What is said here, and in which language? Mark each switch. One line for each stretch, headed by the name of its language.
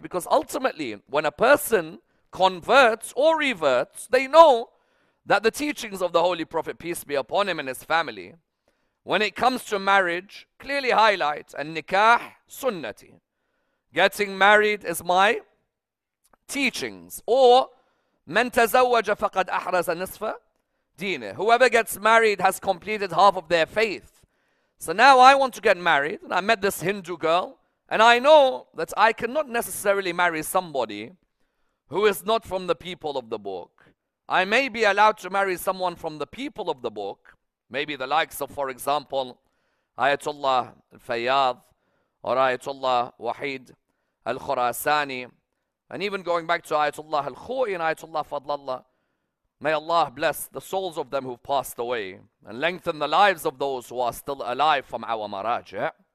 English: Because ultimately, when a person converts or reverts, they know that the teachings of the Holy Prophet, peace be upon him and his family, when it comes to marriage, clearly highlight, and
Arabic: nikah sunnati,
English: getting married is my teachings. Or,
Arabic: من تزوج فقد أحرز نصف دينه.
English: Whoever gets married has completed half of their faith. So now I want to get married, and I met this Hindu girl, and I know that I cannot necessarily marry somebody who is not from the people of the book. I may be allowed to marry someone from the people of the book, maybe the likes of, for example, Ayatollah Al-Fayyad or Ayatollah Wahid Al-Khurasani, and even going back to Ayatollah Al-Khoi and Ayatollah Fadlallah, may Allah bless the souls of them who've passed away and lengthen the lives of those who are still alive from our maraji.